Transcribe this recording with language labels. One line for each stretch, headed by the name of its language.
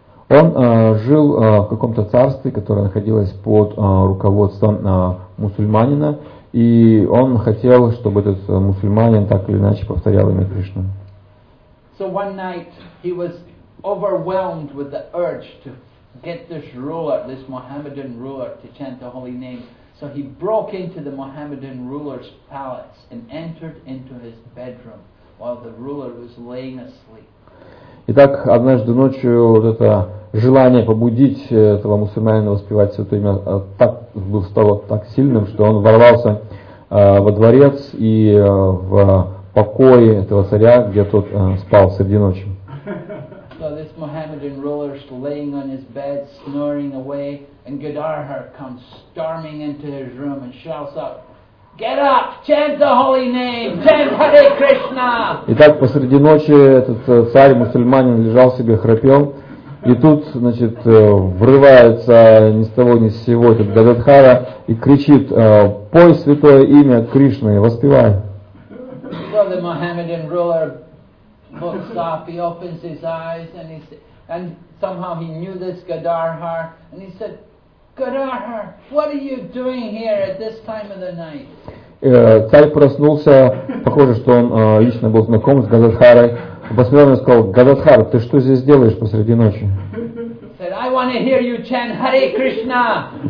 Russian: Он жил в каком-то царстве, которое находилось под руководством мусульманина, и он хотел, чтобы этот мусульманин так или иначе повторял имя Кришны.
English: So one night he was overwhelmed with the urge to get this ruler, this Mohammedan ruler, to chant the holy name. So he broke into the Mohammedan ruler's palace and entered into his bedroom while the ruler was laying asleep.
Russian: Итак, однажды ночью вот это желание побудить этого мусульманина воспевать святое имя так стало так сильным, что он ворвался во дворец и в покои этого царя, где тот спал среди ночи.
English: So this Mohammedan ruler is laying on his bed, snoring away, and Gadadhar comes storming into his room and shouts out, "Get up! Chant the holy name! Chant Hare Krishna!"
Russian: Итак, посреди ночи этот царь мусульманин лежал себе храпел, и тут, значит, врывается ни с того ни с сего этот Гададхара и кричит: "Пой святое имя Кришны, воспевай!"
English: So the Mohammedan ruler looks up, he opens his eyes, and he and somehow he knew this Gadadhar, and he said, "Gadadhar, what are you doing here at this time of the night?"
Russian: Царь проснулся, похоже, что он лично был знаком с Гададхарой. Посмотрел и сказал: "Гададхар, ты что здесь делаешь посреди ночи?"
English: Said, "I want to hear you chant Hare Krishna."